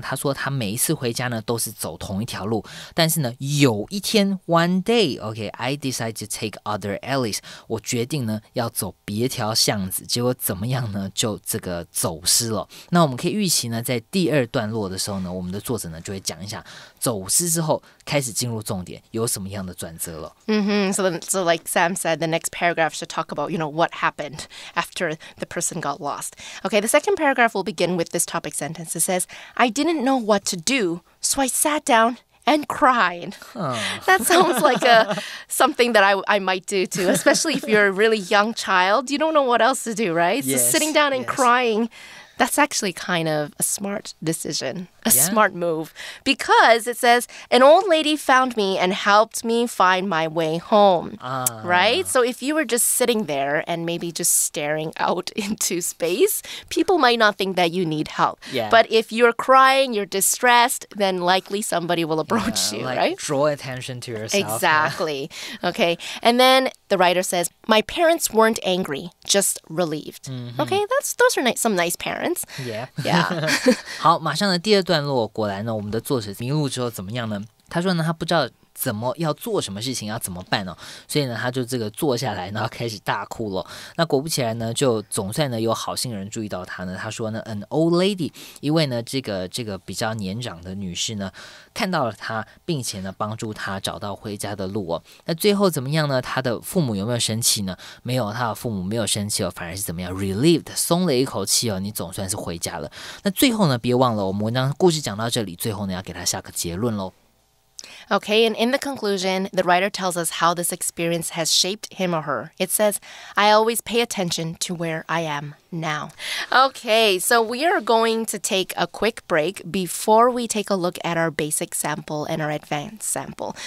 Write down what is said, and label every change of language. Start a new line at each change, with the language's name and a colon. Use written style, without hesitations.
Chinese: 他说他每一次回家呢都是走同一条路，但是呢有一天
English: one day okay I decided to take other alleys，
Chinese: 我决定呢要走别条巷子，结果怎么样呢？就这个走失了。那我们可以预期呢，在第二段落的时候呢，我们的作者呢就会讲一下走失之后开始进入重点有什么样的转折了。
English: So like Sam said, the next paragraph should talk about you know whatHappened after the person got lost. Okay, the second paragraph will begin with this topic sentence. It says, I didn't know what to do, so I sat down and cried. That sounds like something that I might do too, especially if you're a really young child. You don't know what else to do, right? Yes, so sitting down and crying, that's actually kind of a smart decision, smart move, because it says, an old lady found me and helped me find my way home, right? So if you were just sitting there and maybe just staring out into space, people might not think that you need help. Yeah. But if you're crying, you're distressed, then likely somebody will approach you, like, right? Draw attention to yourself. Exactly. Okay. And then the writer says, my parents weren't angry, just relieved. Mm-hmm. Okay. Those are some nice parents. Yeah. Yeah.
Chinese: 好，马上的第二段落过来呢，我们的作者迷路之后怎么样呢？他说呢，他不知道怎么要做什么事情，要怎么办呢？所以呢，他就这个坐下来，然后开始大哭了。那果不其然呢，就总算呢有好心人注意到他呢。他说呢 ，
English: an old lady，
Chinese: 一位呢这个比较年长的女士呢，看到了他，并且呢帮助他找到回家的路哦。那最后怎么样呢？他的父母有没有生气呢？没有，他的父母没有生气哦，反而是怎么样 ？relieved， 松了一口气哦，你总算是回家了。那最后呢，别忘了我们文章故事讲到这里，最后呢要给他下个结论喽。
English: Okay, and in the conclusion, the writer tells us how this experience has shaped him or her. It says, I always pay attention to where I am now. Okay, so we are going to take a quick break before we take a look at our basic sample and our advanced sample.